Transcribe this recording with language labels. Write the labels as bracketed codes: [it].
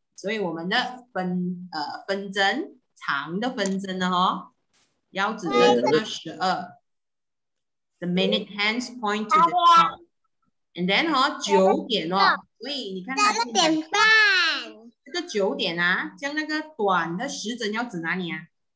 [zh] 所以我们的分针长的分针呢，哈，要指着这个十二。 [en] The minute hands point to the clock, and then [zh] 哈九点哦，所以你看它九点半。这个九点啊，将那个短的时针要指哪里啊？